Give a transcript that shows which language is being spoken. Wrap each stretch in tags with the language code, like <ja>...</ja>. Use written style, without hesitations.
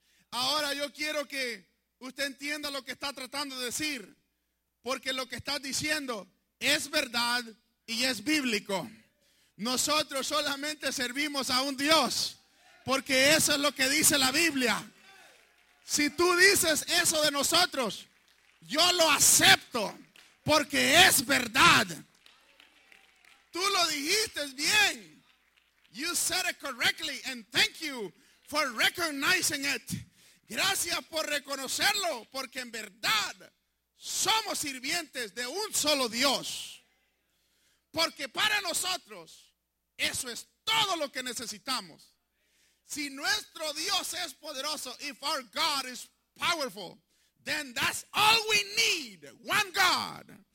<es>Ahora yo quiero que usted entienda lo que está tratando de decir, porque lo que está diciendo es verdad y es bíblico. Nosotros solamente servimos a un Dios, porque eso es lo que dice la Biblia. Si tú dices eso de nosotros, yo lo acepto porque es verdad. Tú lo dijiste bien.</es> <en>You said it correctly and thank you for recognizing it.</en> <es>Gracias por reconocerlo porque en verdad somos sirvientes de un solo Dios. Porque para nosotros eso es todo lo que necesitamos. Si nuestro Dios es poderoso,</es> <en>if our God is powerful, then that's all we need, one God.</en>